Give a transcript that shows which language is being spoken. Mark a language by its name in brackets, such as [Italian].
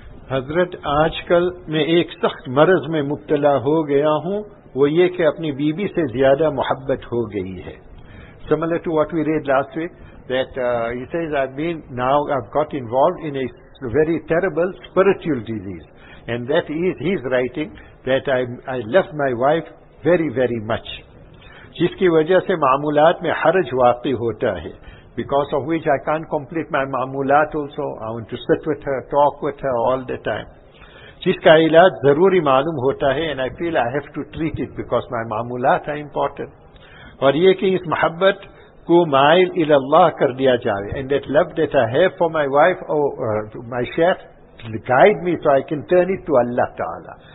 [Urdu] حضرت آج کل میں ایک سخت مرض میں مبتلا ہو گیا ہوں وہ یہ کہ اپنی بی بی سے زیادہ محبت ہو گئی ہے. [English] Similar to what we read last week, that he says, I've got involved in a very terrible spiritual disease. And that is his writing, that I love my wife very, very much. [Urdu] جس کی وجہ سے معاملات میں حرج واقع ہوتا ہے. [English] Because of which I can't complete my ma'amulat also. I want to sit with her, talk with her all the time. [Urdu] Jiska ilaj zaruri malum hota hai, [English] and I feel I have to treat it because my ma'amulat are important. [Urdu] Aur ye ki is mohabbat ko mail ila Allah kar diya jaye, [English] and that love that I have for my wife or my sheikh, guide me so I can turn it to Allah Ta'ala.